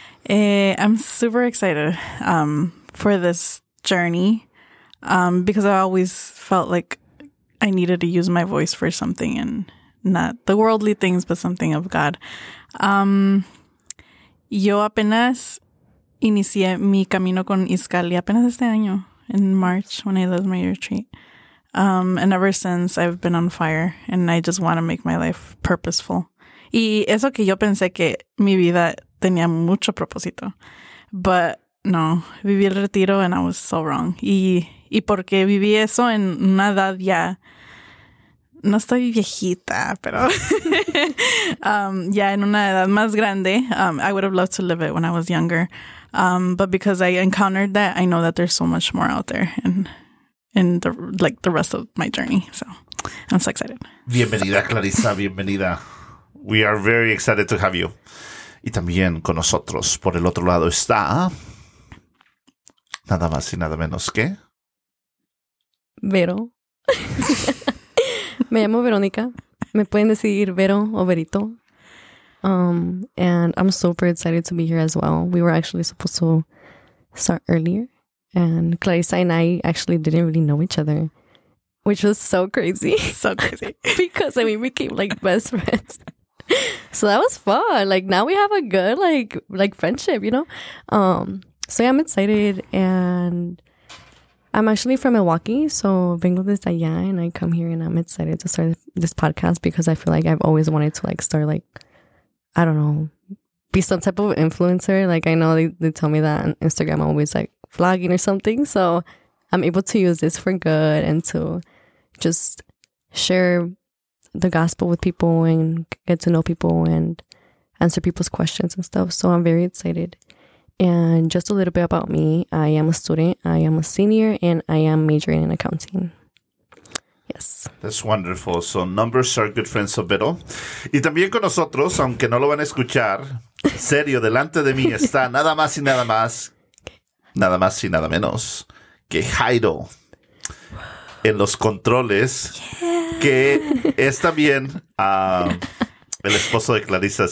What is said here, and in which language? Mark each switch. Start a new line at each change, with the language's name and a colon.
English: I'm super excited for this journey because I always felt like I needed to use my voice for something and not the worldly things, but something of God.
Spanish: Yo apenas inicié mi camino con Izcalli apenas este año,
English: in March, when I left my retreat. And ever since, I've been on fire, and I just want to make my life purposeful.
Spanish: Y eso que yo pensé que mi vida tenía mucho propósito.
English: But no,
Spanish: viví el retiro,
English: and I was so wrong.
Spanish: Y porque viví eso en una edad ya... No estoy viejita, pero en una edad más grande,
English: I would have loved to live it when I was younger. But because I encountered that, I know that there's so much more out there in the like the rest of my journey. So I'm so excited.
Spanish: Bienvenida, Clarisa. Bienvenida.
English: We are very excited to have you.
Spanish: Y también con nosotros por el otro lado está nada más y nada menos que Vero. Me llamo Verónica. Me pueden decir Vero o Verito.
English: And I'm super excited to be here as well. We were actually supposed to start earlier. And Clarisa and I actually didn't really know each other, which was so crazy. So crazy. Because, I mean, we became like best friends. So that was fun. Like, now we have a good, like friendship, you know? So yeah, I'm excited. And... I'm actually from Milwaukee, so
Spanish: vengo desde allá,
English: and I come here, and I'm excited to start this podcast because I feel like I've always wanted to, like, start, like, I don't know, be some type of influencer. Like, I know they tell me that on Instagram, I'm always, like, vlogging or something, so I'm able to use this for good and to just share the gospel with people and get to know people and answer people's questions and stuff, so I'm very excited. And just a little bit about me, I am a student, I am a senior, and I am majoring in accounting. Yes. That's wonderful. So numbers are good friends of Vero.
Spanish: Y también con nosotros, aunque no lo van a escuchar, serio, delante de mí está nada más y nada más, nada más y nada menos, que Jairo en los controles, que es también el esposo de Clarisa.